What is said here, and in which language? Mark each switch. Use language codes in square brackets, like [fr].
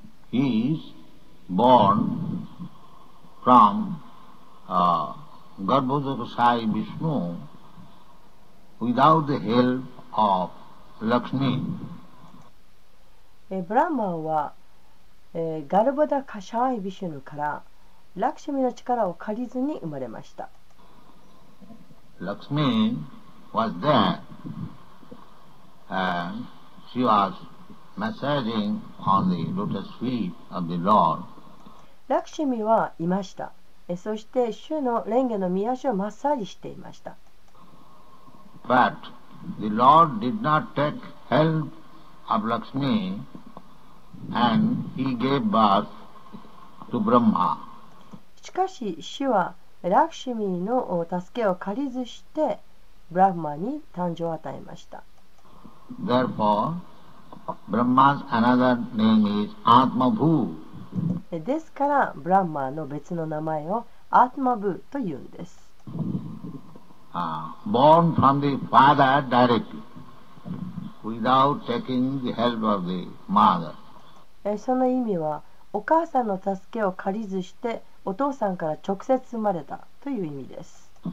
[en] He is born from Garbhodakshay Vishnu without the help of Lakshmi. [ja] ブラマーは、ガルボダカシャイビシュヌからラクシミの力を借りずに生まれました。 [en] ラクシミ was there and she was massaging on the lotus feet of the Lord. [ja] ラクシミはいました。そして主の蓮華の御足をマッサージしていました。 [en] But the Lord did not take help of LakshmiAnd he gave birth to Brahma. [ja] しかし主はラクシミの助けを借りずしてブラフマに誕生を与えました。 [en] Therefore, Brahma's another name is Atmabhu. [ja] ですからブラフマの別の名前をアトマブーというんです。 [en] Born from the father directly without taking the help of the mother [ja] その意味はお母さんの助けを借りずしてお父さんから直接生まれたという意味です。